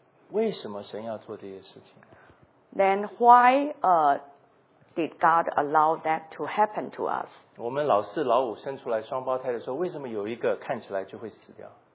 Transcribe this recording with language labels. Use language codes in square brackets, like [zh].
[zh] 为什么神要做这些事情? [en] Then why did God allow that to happen to us? [zh] 我们老四老五生出来双胞胎的时候, 为什么有一个看起来就会死掉?